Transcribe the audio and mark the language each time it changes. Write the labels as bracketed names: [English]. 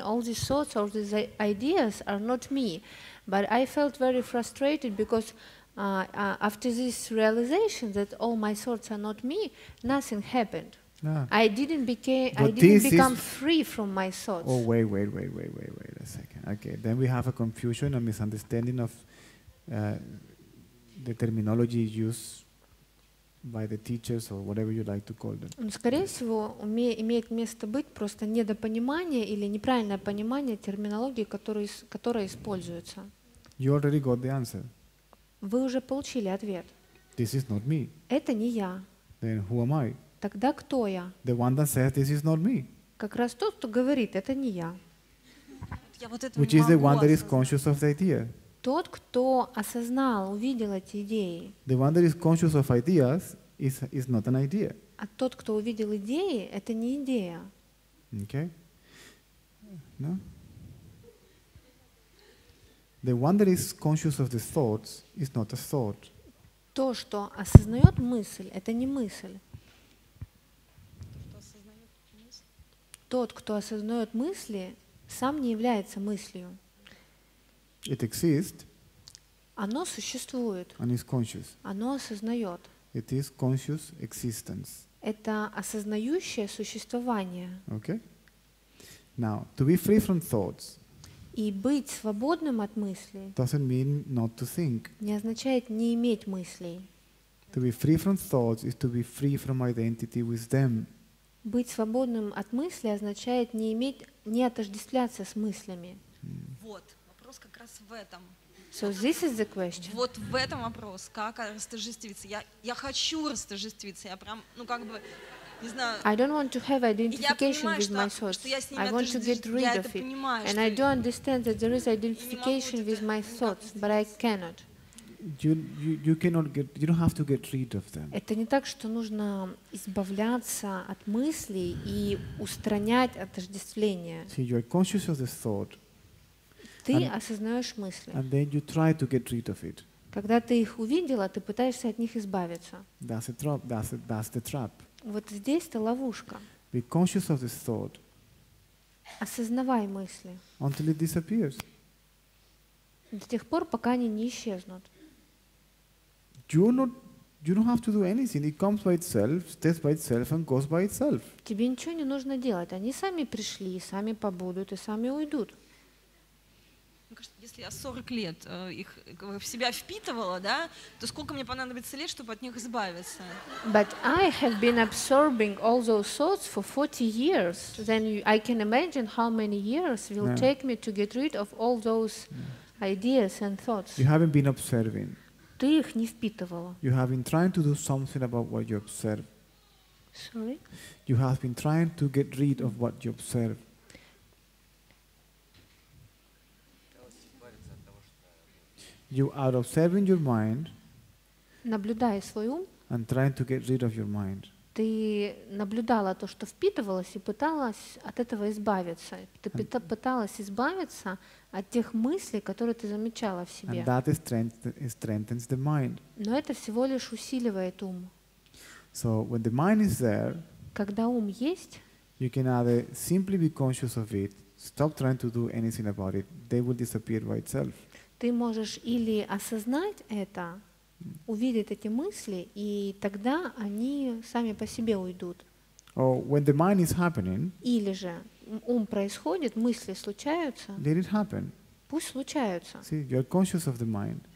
[English] All these thoughts, all these ideas are not me, but I felt very frustrated because after this realization that all my thoughts are not me, nothing happened. Yeah. I didn't become free from my thoughts. Oh, wait a second. Okay, then we have a confusion, a misunderstanding of the terminology used by the teachers or whatever you like to call them. [Russian] Скорее всего, имеет место быть просто недопонимание или неправильное понимание терминологии, которая используется. [English] You already got the answer. [Russian] Вы уже получили ответ. [English] This is not me. [Russian] Это не я. [English] Then who am I? [Russian] Тогда кто я? [English] The one that says this is not me. [Russian] Как раз тот, кто говорит, это не я. [English] Which is the one that is conscious of the idea. [Russian] Тот, кто осознал, увидел эти идеи. [English] The one that is conscious of ideas is not an idea. [Russian] А тот, кто увидел идеи, это не идея. [English] Okay. No? The one that is conscious of the thoughts is not a thought. [Russian] То, что осознает мысль, это не мысль. тот, кто осознает мысли, сам не является мыслью. [English] It exists. [Russian] Оно существует. [English] And is conscious. [Russian] Оно осознает. [English] It is conscious existence. [Russian] Это осознающее существование. [English] Okay. Now, to be free from thoughts. [Russian] И быть свободным от мыслей. [English] Doesn't mean not to think. [Russian] Не означает не иметь мыслей. [English] To be free from thoughts is to be free from identity with them. [Russian] Быть свободным от мыслей означает не иметь, не отождествляться с мыслями. Вот, вопрос как раз в этом. [English] So this is the question. [Russian] Вот в этом вопрос, как растожествиться. Я хочу растожествиться, я прям, ну как бы, не знаю. [English] I don't want to have identification with my thoughts. I want to get rid of it. And I do understand that there is identification with my thoughts, but I cannot. You cannot get, you don't have to get rid of them. [Russian] Это не так, что нужно избавляться от мыслей и устранять отождествление. [English] See, you are conscious of this thought. [Russian] Ты осознаешь мысли. [English] And then you try to get rid of it. [Russian] Когда ты их увидела, ты пытаешься от них избавиться. [English] That's a trap. That's the trap. [Russian] Вот здесь это ловушка. [English] Be conscious of this thought. [Russian] Осознавай мысли. [English] Until it disappears. [Russian] До тех пор, пока они не исчезнут. [English] You don't have to do anything. It comes by itself, stays by itself, and goes by itself. [Russian] Тебе ничего не нужно делать. Они сами пришли, сами побудут и сами уйдут. Мне кажется, если я 40 лет их в себя впитывала, да, то сколько мне понадобится лет, чтобы от них избавиться? [English] But I have been absorbing all those thoughts for 40 years. Then I can imagine how many years will take me to get rid of all those ideas and thoughts. You haven't been observing. [Russian] Ты их не впитывала. [English] You have been trying to do something about what you observe. Sorry? You have been trying to get rid of what you observe. You are observing your mind. [Russian] Наблюдая свой ум. [English] And trying to get rid of your mind. [Russian] Ты наблюдала то, что впитывалось, и пыталась от этого избавиться. Ты пыталась избавиться от тех мыслей, которые ты замечала в себе. [English] And that strengthens the mind. [Russian] Но это всего лишь усиливает ум. [English] So when the mind is there, [Russian] когда ум есть, [English] you can either simply be conscious of it, stop trying to do anything about it, they will disappear by itself. [Russian] Ты можешь или осознать это, увидеть эти мысли, и тогда они сами по себе уйдут. [English] Oh, when the mind is happening, [Russian] или же ум происходит, мысли случаются. [English] Let it happen. [Russian] Пусть случаются. [English] See, you are conscious of the mind.